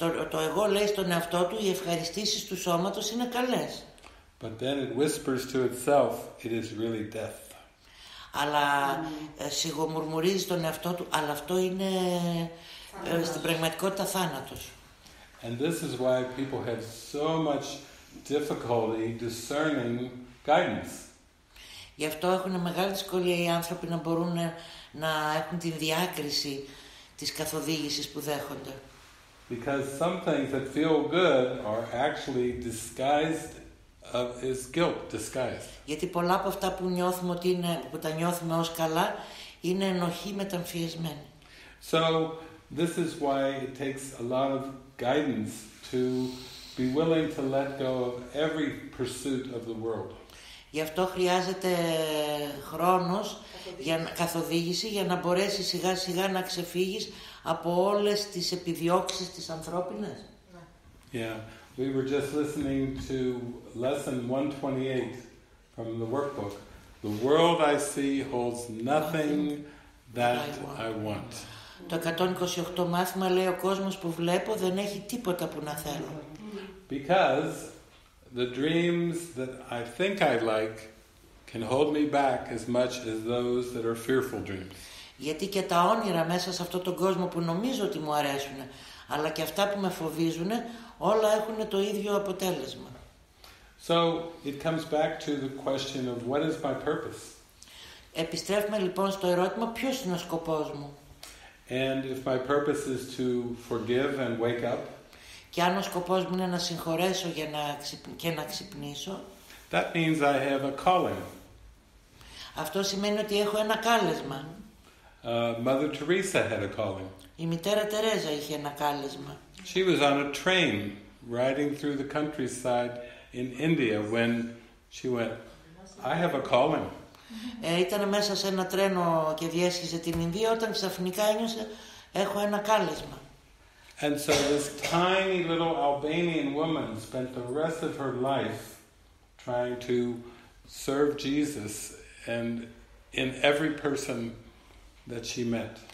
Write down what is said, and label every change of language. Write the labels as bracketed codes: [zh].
[el] Το εγώ λέει στον εαυτό του οι ευχαριστήσεις του σώματος είναι καλές. [en] But then it whispers to itself, it is really death. [el] Αλλά σιγομουρμουρίζει στον εαυτό του, αλλά αυτό είναι στην πραγματικότητα θάνατος. [en] And this is why people have so much difficulty discerning guidance. [el] Γι' αυτό έχουν μεγάλη δυσκολία οι άνθρωποι να μπορούν να έχουν την διάκριση της καθοδήγησης που δέχονται. [en] Because some things that feel good are actually disguised of, is guilt, disguised. [el] Γιατί πολλά από αυτά που νιώθουμε ότι είναι, που τα νιώθουμε ως καλά, είναι ενοχή μεταμφιεσμένη. [en] So, this is why it takes a lot of guidance to be willing to let go of every pursuit of the world. [el] Γι' αυτό χρειάζεται χρόνος, για να, καθοδήγηση, για να μπορέσεις σιγά σιγά να ξεφύγεις από όλες τις επιδιώξεις τις ανθρώπινες. [en] Yeah, we were just listening to lesson 128 from the workbook. The world I see holds nothing that I want. [el] Το 128 μάθημα λέει ο κόσμος που βλέπω δεν έχει τίποτα που να θέλω. [en] Because the dreams that I think I like can hold me back as much as those that are fearful dreams. [el] Γιατί και τα όνειρα μέσα σε αυτόν τον κόσμο που νομίζω ότι μου αρέσουν, αλλά και αυτά που με φοβίζουν, όλα έχουν το ίδιο αποτέλεσμα. [en] So it comes back to the question of what is my purpose. [el] Επιστρέφουμε λοιπόν στο ερώτημα ποιος είναι ο σκοπός μου. [en] And if my purpose is to forgive and wake up. [el] Και αν ο σκοπός μου είναι να συγχωρέσω για να και να ξυπνήσω. [en] That means I have a calling. [el] Αυτό σημαίνει ότι έχω ένα κάλεσμα. [en] Mother Teresa had a calling. [el] Η μητέρα Τερέζα είχε ένα κάλεσμα. [en] She was on a train riding through the countryside in India when she went, I have a calling. [el] Ήταν μέσα σε ένα τρένο και διέσχιζε την Ινδία όταν ξαφνικά ένιωσε, έχω ένα κάλεσμα. [en] And so this tiny little Albanian woman spent the rest of her life trying to serve Jesus and in every person that she met.